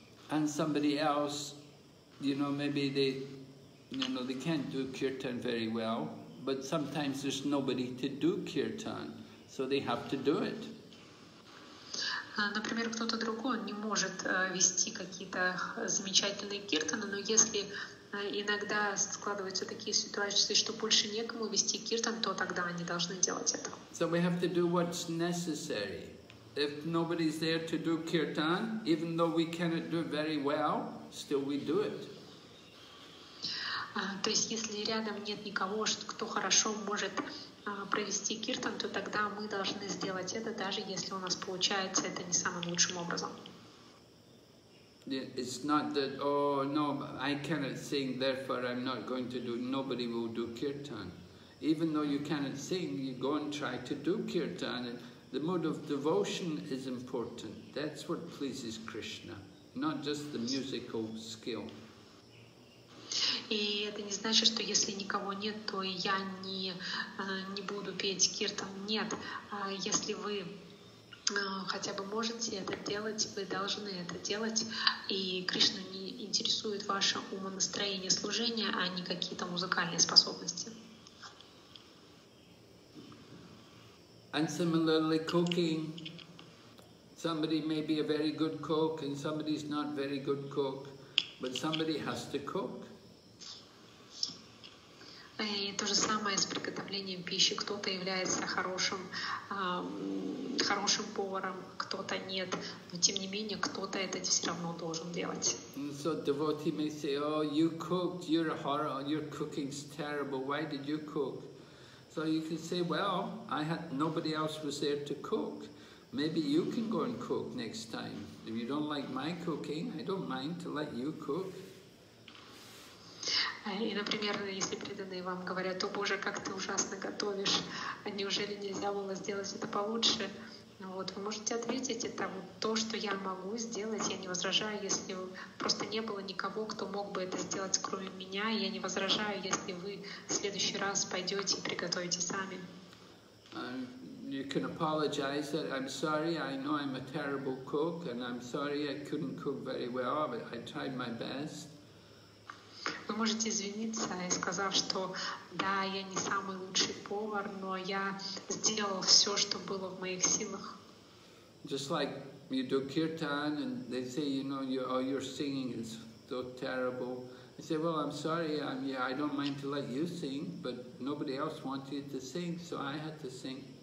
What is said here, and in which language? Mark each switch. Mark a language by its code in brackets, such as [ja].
[en] And somebody else, you know, maybe they, you know, they can't do kirtan very well, but sometimes there's nobody to do kirtan, so they have to do it. [ru] Например, кто-то другой не может вести какие-то замечательные киртаны, но если иногда складываются такие ситуации, что больше некому вести киртан, то тогда они должны делать это. [en] So we have to do what's necessary. If nobody's there to do kirtan, even though we cannot do it very well, still we do it. [ru] То есть, если рядом нет никого, кто хорошо может провести киртан, то тогда мы должны сделать это, даже если у нас получается это не самым лучшим образом. [en] It's not that, oh, no, I cannot sing, therefore I'm not going to do, nobody will do kirtan. Even though you cannot sing, you go and try to do kirtan. And the mood of devotion is important. That's what pleases Krishna, not just the musical skill. [ru] И это не значит, что если никого нет, то я не буду петь киртан. Нет, если вы хотя бы можете это делать, вы должны это делать. И Кришну не интересует ваше умонастроение служения, а не какие-то музыкальные способности. [en] And similarly cooking. Somebody may be a very good cook and somebody is not very good cook, but somebody has to cook. [ru] И то же самое с приготовлением пищи. Кто-то является хорошим поваром, кто-то нет. Но тем не менее, кто-то это все равно должен делать. [en] And so devotee may say, oh, you cooked, you're a horror, your cooking's terrible, why did you cook? So you can say, well, nobody else was there to cook. Maybe you can go and cook next time. If you don't like my cooking, I don't mind to let you cook. [ru] И, например, если преданные вам говорят, о боже, как ты ужасно готовишь, неужели нельзя было сделать это получше? Вот, вы можете ответить, это вот то, что я могу сделать, я не возражаю, если просто не было никого, кто мог бы это сделать, кроме меня, я не возражаю, если вы в следующий раз пойдете и приготовите сами. [en] You can apologize that I'm sorry, I know I'm a terrible cook, and I'm sorry I couldn't cook very well, but I tried my best. [ru] Вы можете извиниться и сказав, что да, я не самый лучший повар, но я сделал все, что было в моих силах. [en] Just like you do kirtan, and they say, you know, your singing is so terrible. I say, well, I'm sorry, I don't mind to let you sing, but nobody else wanted to sing, so I had to sing.